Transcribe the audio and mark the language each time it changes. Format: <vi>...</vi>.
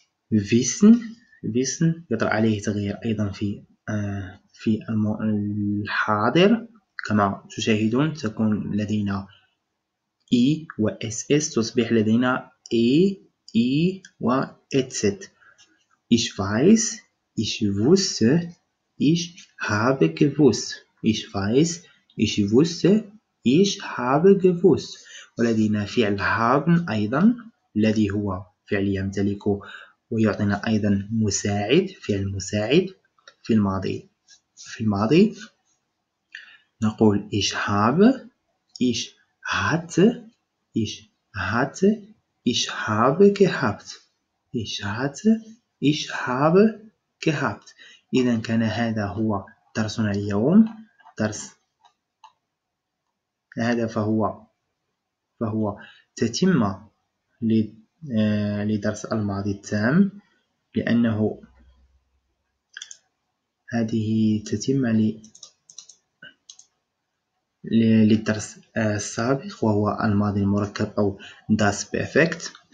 <ar>فيسن يطرأ عليه تغيير أيضا في الحاضر كما تشاهدون، تكون لدينا E و SS تصبح لدينا A E و ETZ.</ar> <de>Ich weiß, ich wusste, ich habe gewusst. Ich weiß, ich wusste, ich habe gewusst.</de> <ar>ولدينا فعل haben أيضا الذي هو فعل يمتلك ويعطينا أيضا مساعد، فعل مساعد في الماضي. في الماضي نقول</ar> <de>ich habe, ich hatte, ich hatte, ich habe gehabt. Ich hatte, ich habe gehabt.</de> <ar>إذا كان هذا هو درسنا اليوم، درس هذا فهو تتمة لدرس الماضي التام، لأنه هذه تتمة للدرس السابق وهو الماضي المركب أو داس بيفكت.</ar>